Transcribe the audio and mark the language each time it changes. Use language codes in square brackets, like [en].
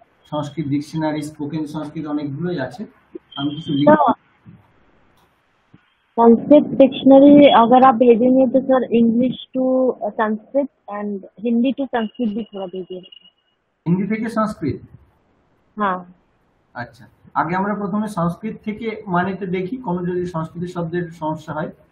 [bn] সংস্কৃত dictionary, spoken সংস্কৃত অনেকগুলোই আছে, আমি কিছু লিঙ্ক। [hi] সংস্কৃত ডিকশনারি अगर आप भेजेंगे तो sir English to Sanskrit and Hindi to Sanskrit भी थोड़ा भेजिए। [bn] হিন্দি থেকে সংস্কৃত? হ্যাঁ। আচ্ছা আগে আমরা প্রথমে সংস্কৃত থেকে মানেতে দেখি, কোন যদি সংস্কৃত শব্দের সমস্যা হয়।